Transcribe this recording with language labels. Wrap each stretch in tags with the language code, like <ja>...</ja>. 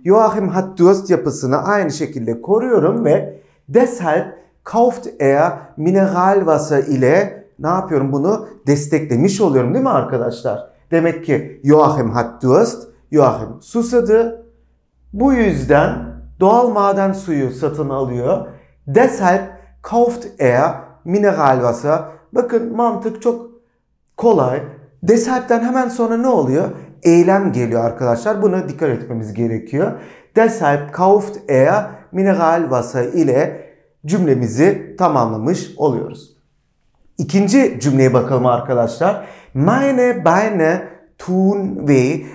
<tr>Joachim</tr> <de>hat Durst</de> <tr>yapısını aynı şekilde koruyorum ve</tr> <de>deshalb kauft er Mineral Wasser</de> <tr>ile ne yapıyorum? Bunu desteklemiş oluyorum değil mi arkadaşlar? Demek ki</tr> <de>Joachim hat Durst,</de> <tr>Joachim susadı. Bu yüzden doğal maden suyu satın alıyor.</tr> <de>Deshalb kauft er Mineralwasser.</de> <tr>Bakın mantık çok kolay. Deshalb'den hemen sonra ne oluyor? Eylem geliyor arkadaşlar. Buna dikkat etmemiz gerekiyor.</tr> <de>Deshalb kauft er Mineralwasser</de> <tr>ile cümlemizi tamamlamış oluyoruz. İkinci cümleye bakalım arkadaşlar.</tr> <de>Meine Beine tun weh.</de>